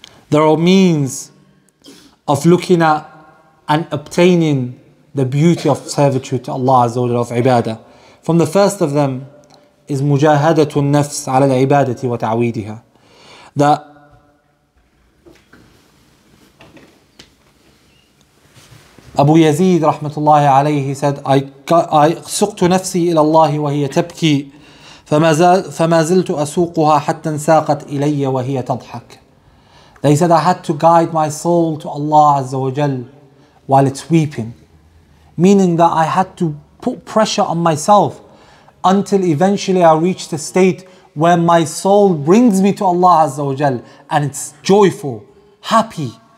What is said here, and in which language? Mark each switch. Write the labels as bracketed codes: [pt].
[en] There are means of looking at and obtaining the beauty of servitude to Allah Azza wa Jal, of ibadah. From the first of them is [ar] مُجَاهَدَةُ النَّفْسِ عَلَى الْعِبَادَةِ وَتَعْوِيدِهَا. [en] That Abu Yazid rahmatullahi alayhi, he said, I [ar] سُقْتُ نَفْسِي إِلَى اللَّهِ وَهِيَ تَبْكِي فَمَا زِلْتُ أَسُوقُهَا حَتَّى سَاقَتْ إِلَيَّ وَهِيَ تَضْحَكُ. [en] They said, I had to guide my soul to Allah Azza wa Jal while it's weeping. Meaning that I had to put pressure on myself until eventually I reach the state where my soul brings me to Allah Azza wa Jal and it's joyful, happy.